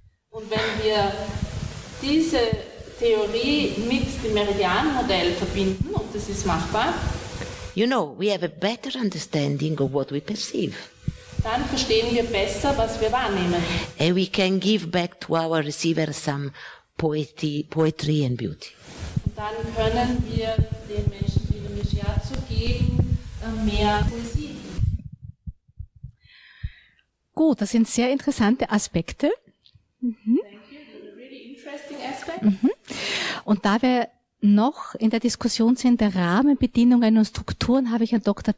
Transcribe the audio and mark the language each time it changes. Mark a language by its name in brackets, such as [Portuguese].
[German] Und wenn wir diese Theorie mit dem Meridianmodell verbinden, und das ist machbar, [English] you know, we have a better understanding of what we perceive. [German] Dann verstehen wir besser, was wir wahrnehmen. [English] And we can give back to our receiver some poetry and beauty. [German] Und dann können wir den Menschen, die wir mit Shiatsu geben, mehr Poesie. Gut, das sind sehr interessante Aspekte. [English] Thank you, really interesting aspect. Mhm. [German] Und da wir noch in der Diskussion sind der Rahmenbedingungen und Strukturen, habe ich an Dr.